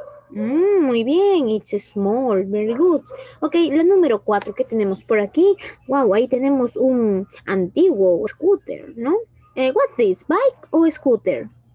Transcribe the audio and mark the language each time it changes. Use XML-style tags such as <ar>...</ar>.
<es>Muy bien,</es> <en>it's small, very good.</en> <es>Ok, la número 4 que tenemos por aquí. Wow, ahí tenemos un antiguo scooter, ¿no?</es> <en>What's this, bike o scooter?</en>